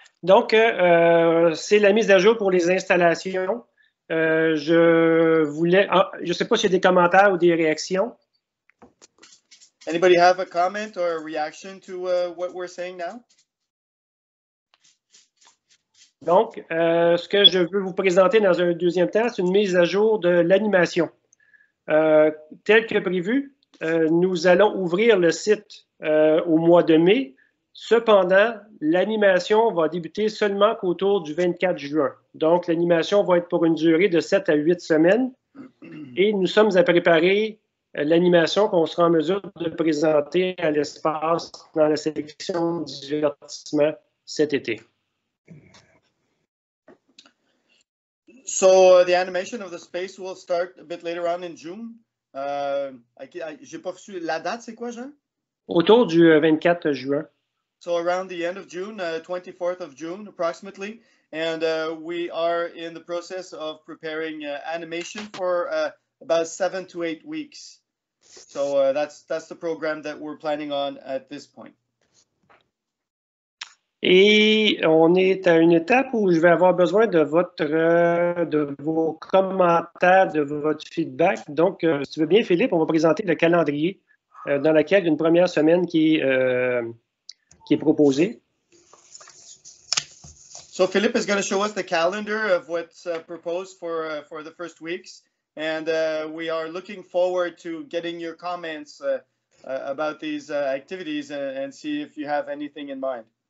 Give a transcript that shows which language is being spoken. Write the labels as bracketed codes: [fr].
[fr] Donc, c'est la mise à jour pour les installations. Je ne sais pas s'il y a des commentaires ou des réactions. [en] Anybody have a comment or a reaction to what we're saying now? [fr] Donc, ce que je veux vous présenter dans un deuxième temps, c'est une mise à jour de l'animation. Telle que prévu, nous allons ouvrir le site au mois de mai. Cependant, l'animation va débuter seulement qu'autour du 24 juin. Donc, l'animation va être pour une durée de 7 à 8 semaines. Et nous sommes à préparer l'animation qu'on sera en mesure de présenter à l'espace dans la section divertissement cet été. [en] So the animation of the space will start a bit later on in June. [fr] J'ai pas reçu la date, c'est quoi, Jean? Autour du 24 juin. [en] So around the end of June, 24th of June, approximately. And we are in the process of preparing animation for about 7 to 8 weeks. So that's the program that we're planning on at this point. [fr] Et on est à une étape où je vais avoir besoin de vos commentaires, de votre feedback. Donc, si tu veux bien, Philippe, on va présenter le calendrier dans lequel il y a une première semaine qui est proposée. [en] So, Philippe is going to show us the calendar of what's proposed for the first weeks. And we are looking forward to getting your comments about these activities and see if you have anything in mind.